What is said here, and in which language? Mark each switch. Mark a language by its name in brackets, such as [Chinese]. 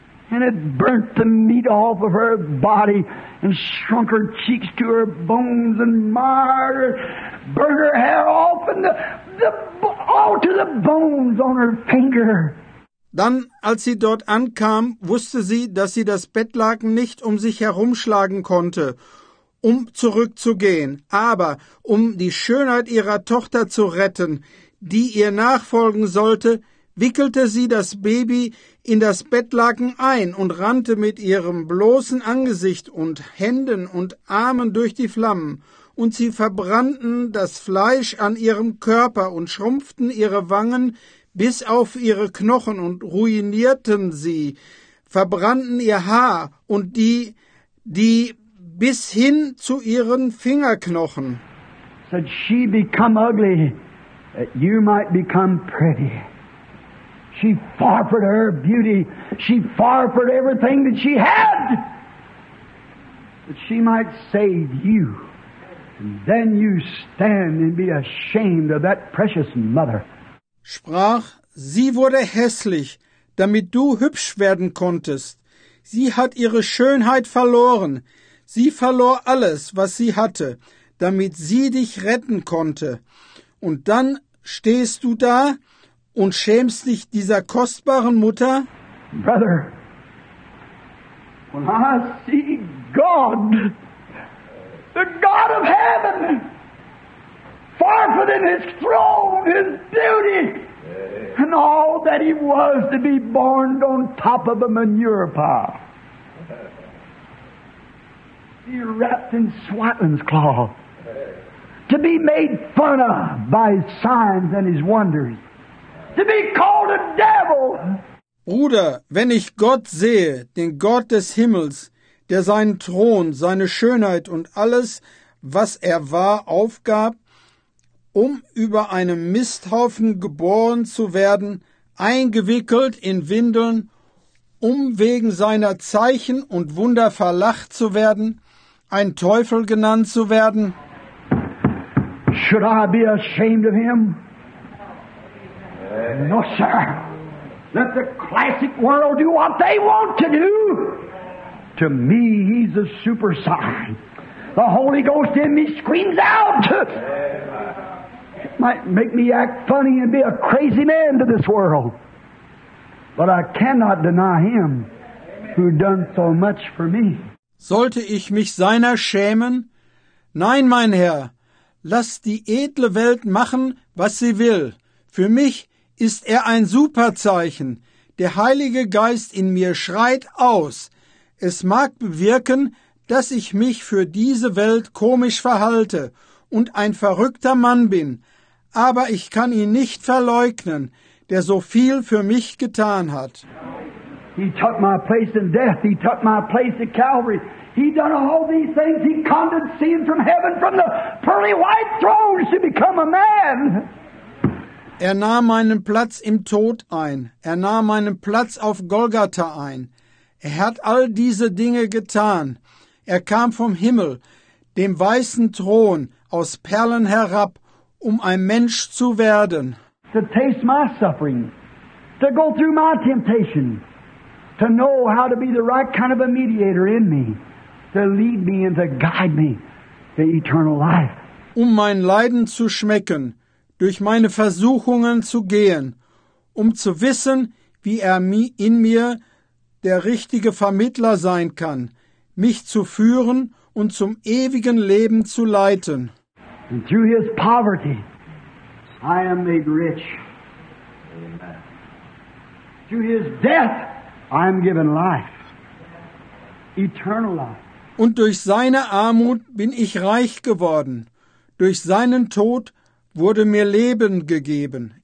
[English] And it burnt the meat off of her body and shrunk her cheeks to her bones and marred her, burnt her hair off and all to the bones on her finger. [German] Dann, als sie dort ankam, wusste sie, dass sie das Bettlaken nicht um sich herumschlagen konnte, um zurückzugehen, aber um die Schönheit ihrer Tochter zu retten, die ihr nachfolgen sollte, wickelte sie das Baby in das Bettlaken ein und rannte mit ihrem bloßen Angesicht und Händen und Armen durch die Flammen, und sie verbrannten das Fleisch an ihrem Körper und schrumpften ihre Wangen bis auf ihre Knochen und ruinierten sie, verbrannten ihr Haar und die bis hin zu ihren Fingerknochen. [English] Said she become ugly, that you might become pretty. She forfeit her beauty, she forfeit everything that she had, that she might save you. And then you stand and be ashamed of that precious mother. [German] Sprach, sie wurde hässlich, damit du hübsch werden konntest. Sie hat ihre Schönheit verloren. Sie verlor alles, was sie hatte, damit sie dich retten konnte. Und dann stehst du da und schämst dich dieser kostbaren Mutter? [English] Brother, when I see God, the God of heaven, far from him, his throne, his beauty, and all that he was to be born on top of a manure pile. Be wrapped in swaddling's cloth. To be made fun of by his signs and his wonders. To be called a devil. [German] Bruder, wenn ich Gott sehe, den Gott des Himmels, der seinen Thron, seine Schönheit und alles, was er war, aufgab, um über einem Misthaufen geboren zu werden, eingewickelt in Windeln, um wegen seiner Zeichen und Wunder verlacht zu werden, ein Teufel genannt zu werden. [English] Should I be ashamed of him? No, sir. Let the classic world do what they want to do. To me, he's a super sign. The Holy Ghost in me screams out. Might make me act funny and be a crazy man to this world. But I cannot deny him who done so much for me. [German] Sollte ich mich seiner schämen? Nein, mein Herr, lass die edle Welt machen, was sie will. Für mich ist er ein Superzeichen. Der Heilige Geist in mir schreit aus. Es mag bewirken, dass ich mich für diese Welt komisch verhalte und ein verrückter Mann bin, aber ich kann ihn nicht verleugnen, der so viel für mich getan hat. [English] He took my place in death. He took my place at Calvary. He done all these things. He condescended from heaven, from the pearly white throne, to become a man. [German] Er nahm meinen Platz im Tod ein. Er nahm meinen Platz auf Golgatha ein. Er hat all diese Dinge getan. Er kam vom Himmel, dem weißen Thron, aus Perlen herab, um ein Mensch zu werden. [English] To taste my suffering, to go through my temptation, to know how to be the right kind of a mediator in me, to lead me and to guide me to eternal life. [German] Um mein Leiden zu schmecken, durch meine Versuchungen zu gehen, um zu wissen, wie er in mir der richtige Vermittler sein kann, mich zu führen und zum ewigen Leben zu leiten. [English] And through his poverty, I am made rich. Amen. Through his death, I am given life. Eternal life. [German] Und durch seine Armut bin ich reich geworden. Durch seinen Tod wurde mir Leben gegeben.